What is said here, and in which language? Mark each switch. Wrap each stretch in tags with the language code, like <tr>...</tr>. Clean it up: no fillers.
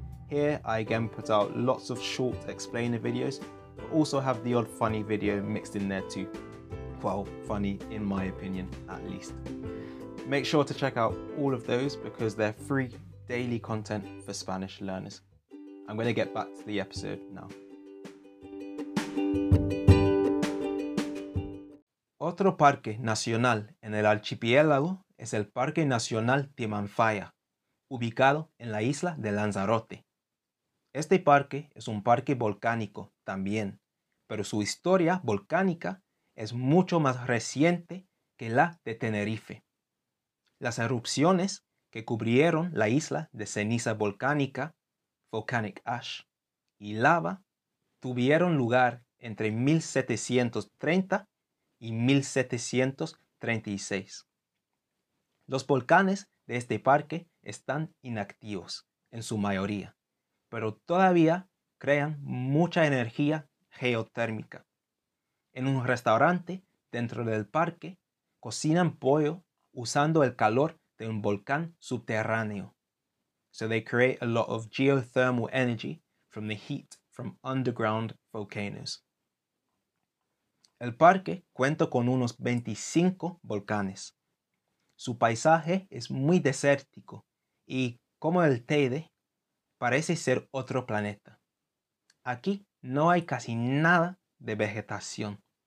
<en>Here I again put out lots of short explainer videos, but also have the odd funny video mixed in there too. Well, funny in my opinion, at least. Make sure to check out all of those because they're free daily content for Spanish learners. I'm going to get back to the episode now.</en> <es>Otro parque nacional en el archipiélago es el Parque Nacional Timanfaya, ubicado en la isla de Lanzarote. Este parque es un parque volcánico también, pero su historia volcánica es mucho más reciente que la de Tenerife. Las erupciones que cubrieron la isla de ceniza volcánica,</es> <en>volcanic ash,</en> <es>y lava, tuvieron lugar entre 1730 y 1736. Los volcanes de este parque están inactivos en su mayoría, pero todavía crean mucha energía geotérmica. En un restaurante dentro del parque, cocinan pollo usando el calor de un volcán subterráneo.</es> <en>So they create a lot of geothermal energy from the heat from underground volcanoes.</en> <es>El parque cuenta con unos 25 volcanes. Su paisaje es muy desértico y, como el Teide, parece ser otro planeta. Aquí no hay casi nada de vegetación.</es>